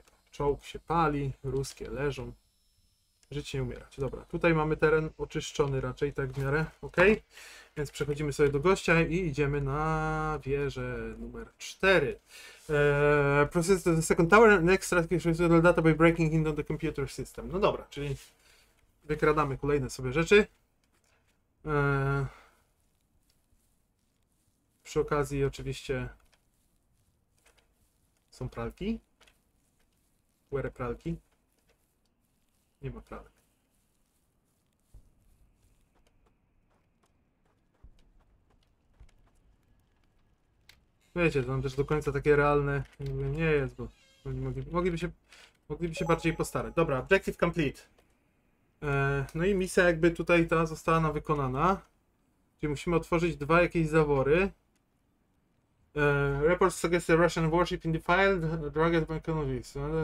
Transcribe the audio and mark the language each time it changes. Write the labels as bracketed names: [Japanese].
[Polish] Czołg się pali, ruskie leżą. Żyć nie umierać. Dobra, tutaj mamy teren oczyszczony raczej, tak w miarę. Ok, więc przechodzimy sobie do gościa i idziemy na wieżę numer 4. [English] Process the second tower and extract the data by breaking into the computer system. [Polish] No dobra, czyli wykradamy kolejne sobie rzeczy. Przy okazji oczywiście są pralki. Where pralki? Nie ma pralek. Wiecie, to nam też do końca takie realne nie jest, bo oni mogliby się bardziej postarać. Dobra, [English] objective complete. [Polish] No i misja jakby tutaj ta została nam wykonana. Czyli musimy otworzyć dwa jakieś zawory. [English] Report suggests a Russian warship in the file, dragged by convicts.